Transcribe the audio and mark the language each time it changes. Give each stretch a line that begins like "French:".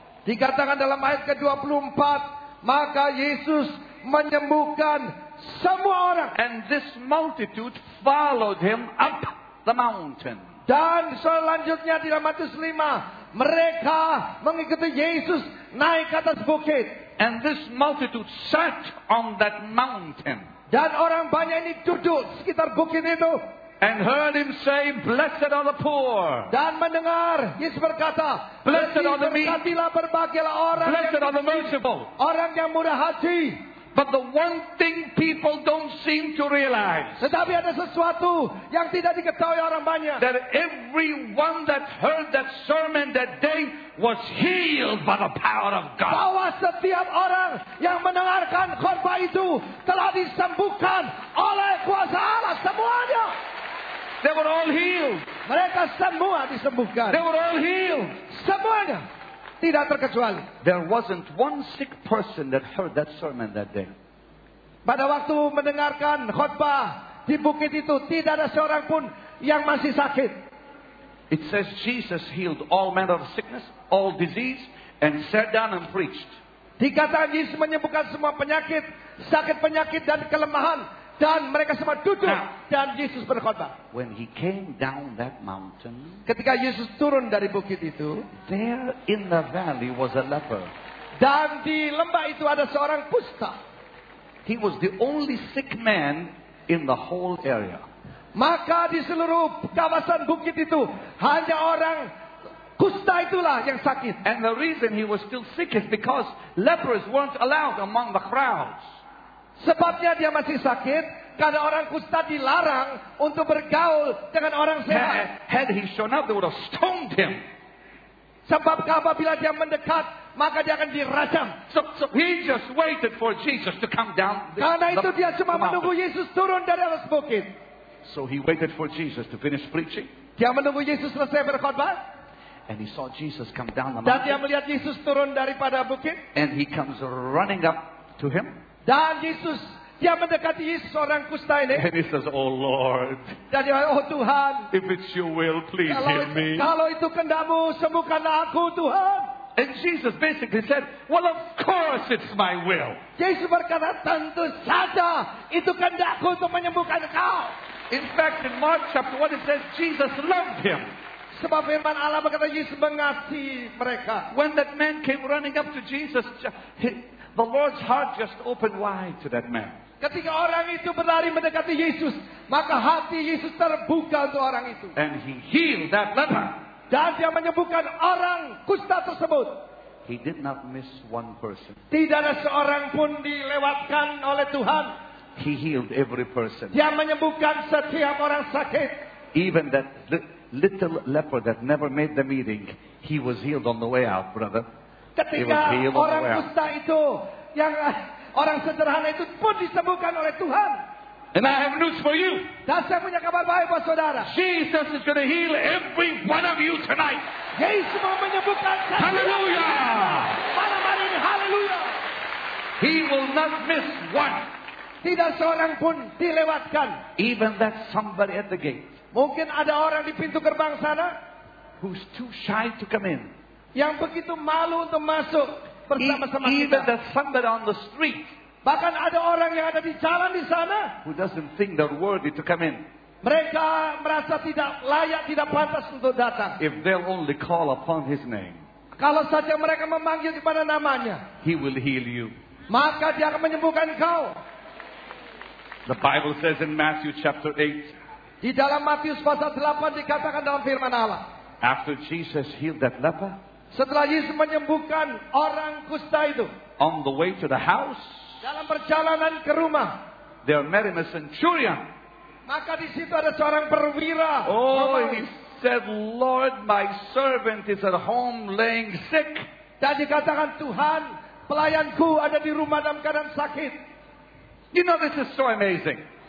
Indonesian: Dikatakan dalam ayat ke-24, maka Yesus menyembuhkan semua orang.
English: And this multitude followed him up the mountain.
Indonesian: Dan selanjutnya di dalam Matius 5, mereka mengikuti Yesus naik ke atas bukit.
English: And this multitude sat on that mountain.
Indonesian: Dan orang banyak ini duduk sekitar bukit itu.
English: And heard him say, blessed are the poor.
Indonesian: Dan mendengar Yesus berkata,
English: blessed are the meek.
Indonesian: Berkatilah, berbahagialah orang
English: blessed are the merciful.
Indonesian: Orang yang murah hati.
English: But the one thing people don't seem to realize.
Indonesian: Tetapi ada sesuatu yang tidak diketahui orang banyak.
English: That everyone that heard that sermon that day was healed by the power of God.
Indonesian: Bahwa setiap orang yang mendengarkan khotbah itu telah disembuhkan oleh kuasa Allah semuanya.
English: They were all healed.
Indonesian: Mereka semua disembuhkan.
English: They were all healed.
Indonesian: Semuanya. Tidak terkecuali.
English: There wasn't one sick person that heard that sermon that day.
Indonesian: Pada waktu mendengarkan khotbah di bukit itu, tidak ada seorang pun yang masih sakit.
English: It says Jesus healed all manner of sickness, all disease, and sat down and preached.
Indonesian: Dikatakan Yesus menyembuhkan semua penyakit, sakit penyakit dan kelemahan, dan mereka semua duduk dan Yesus berkhotbah.
English: When he came down that mountain,
Indonesian: ketika Yesus turun dari bukit itu,
English: there in the valley was a leper.
Indonesian: Dan di lembah itu ada seorang kusta.
English: He was the only sick man in the whole area.
Indonesian: Maka di seluruh kawasan bukit itu hanya orang kusta itulah yang sakit.
English: And the reason he was still sick is because lepers weren't allowed among the crowds.
Indonesian: Sebabnya dia masih sakit karena orang kusta dilarang untuk bergaul dengan orang sehat.
English: Had he shown up, they would have stoned him.
Indonesian: Sebab apabila dia mendekat, maka dia akan dirajam.
English: So he just waited for Jesus to come down.
Indonesian: Karena itu dia cuma menunggu Yesus turun dari atas bukit.
English: So he waited for Jesus to finish preaching.
Indonesian: Dia menunggu Yesus selesai berkhotbah.
English: And he saw Jesus come down the mountain.
Indonesian: Dan dia melihat Yesus turun daripada bukit.
English: And he comes running up to him.
Indonesian: Dan Yesus, dia mendekati Yesus orang kusta ini.
English: And he says, oh Lord.
Indonesian: Dan dia, oh Tuhan.
English: If it's your will, please heal me.
Indonesian: Kalau itu kehendak-Mu, sembuhkanlah aku Tuhan.
English: And Jesus basically said, well of course it's my will.
Indonesian: Yesus berkata, tentu saja itu kehendak-Ku untuk menyembuhkan kau.
English: In fact, in Mark chapter 1 it says, Jesus loved him.
Indonesian: Sebab firman Allah berkata, Yesus mengasihi mereka.
English: When that man came running up to Jesus, the Lord's heart just opened wide to that man.
Indonesian: Ketika orang itu berlari mendekati Yesus, maka hati Yesus terbuka untuk orang itu.
English: And he healed that leper.
Indonesian: Dan dia menyembuhkan orang kusta tersebut.
English: He did not miss one person.
Indonesian: Tidak ada seorang pun dilewatkan oleh Tuhan.
English: He healed every person.
Indonesian: Dia menyembuhkan setiap orang sakit.
English: Even that little leper that never made the meeting, he was healed on the way out, brother.
Indonesian: Ketika orang kusta itu, yang orang sederhana itu pun disembuhkan oleh Tuhan.
English: And I have news for you.
Indonesian: Dan saya punya kabar baik buat saudara.
English: Jesus is going to heal every one of you tonight.
Indonesian: Yesus mau menyembuhkan kita.
English: Hallelujah.
Indonesian: Malam hari ini, hallelujah.
English: He will not miss one.
Indonesian: Tidak seorang pun dilewatkan.
English: Even that somebody at the gate.
Indonesian: Mungkin ada orang di pintu gerbang sana.
English: Who's too shy to come in.
Indonesian: Yang begitu malu untuk masuk bersama-sama kita.
English: Even that somebody on the street.
Indonesian: Bahkan ada orang yang ada di jalan di sana.
English: Who doesn't think they're worthy to come in.
Indonesian: Mereka merasa tidak layak, tidak pantas untuk datang.
English: If they'll only call upon his name.
Indonesian: Kalau saja mereka memanggil kepada namanya.
English: He will heal you.
Indonesian: Maka dia akan menyembuhkan kau.
English: The Bible says in Matthew chapter 8.
Indonesian: Di dalam Matius pasal 8 dikatakan dalam firman Allah.
English: After Jesus healed that leper.
Indonesian: Setelah Yesus menyembuhkan orang kusta itu.
English: On the way to the house.
Indonesian: Dalam perjalanan ke rumah.
English: There met him a centurion.
Indonesian: Maka di situ ada seorang perwira.
English: Oh, he said, Lord, my servant is at home laying sick.
Indonesian: Dan dikatakan, Tuhan, pelayanku ada di rumah dalam keadaan sakit.
English: You know, this is so amazing.